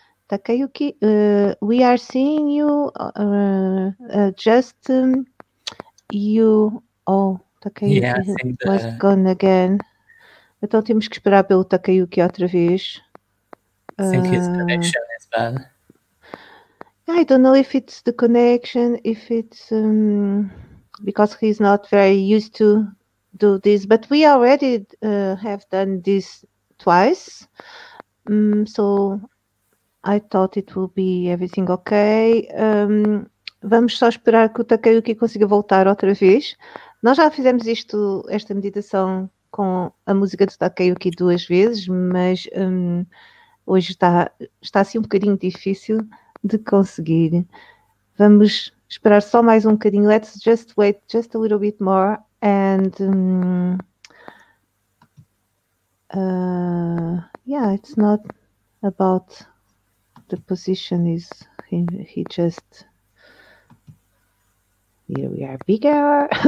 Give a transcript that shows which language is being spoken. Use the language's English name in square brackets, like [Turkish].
[English] Takayuki, we are seeing you just you. Oh, Takayuki was gone again. [Portuguese] Então temos que esperar pelo Takayuki outra vez. [English] Think his connection is bad. I don't know if it's the connection, if it's. Because he's not very used to do this, but we already have done this twice, so I thought it will be everything okay. [Portuguese] Vamos só esperar que o Takayuki consiga voltar outra vez. Nós já fizemos isto, esta meditação com a música do Takayuki duas vezes, mas hoje está assim um bocadinho difícil de conseguir. Vamos esperar só mais um bocadinho. [English] Let's just wait just a little bit more and yeah, it's not about the position is he just here we are bigger.